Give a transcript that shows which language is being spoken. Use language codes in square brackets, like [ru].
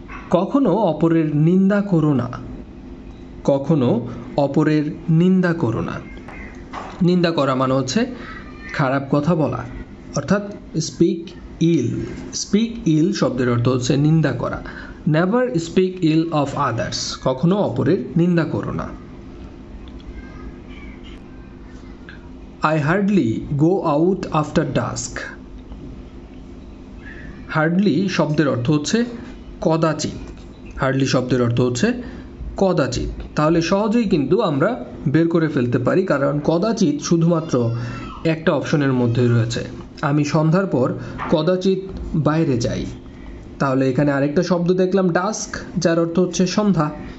[bn] কখনো অপরের নিন্দা করো না, কখনো অপরের নিন্দা করো না। নিন্দা করা মানে হচ্ছে খারাপ কথা বলা, অর্থাৎ স্পিক ইল, স্পিক ইল শব্দের অর্থ হচ্ছে নিন্দা করা। [en] never speak ill of others, [bn] কখনো অপরের নিন্দা করো না। [en] I hardly go out after dusk. [bn] Hardly শব্দের অর্থ হচ্ছে কদাচিৎ। Hardly শব্দের অর্থ হচ্ছে কদাচিৎ। তাহলে সহজেই কিন্তু আমরা বের করে ফেলতে পারি, কারণ কদাচিৎ শুধুমাত্র একটা অপশনের মধ্যে রয়েছে। আমি সন্ধ্যার পর কদাচিৎ বাইরে যাই। তাহলে এখানে আরেকটা শব্দ দেখলাম ডাস্ক, যার অর্থ হচ্ছে সন্ধ্যা।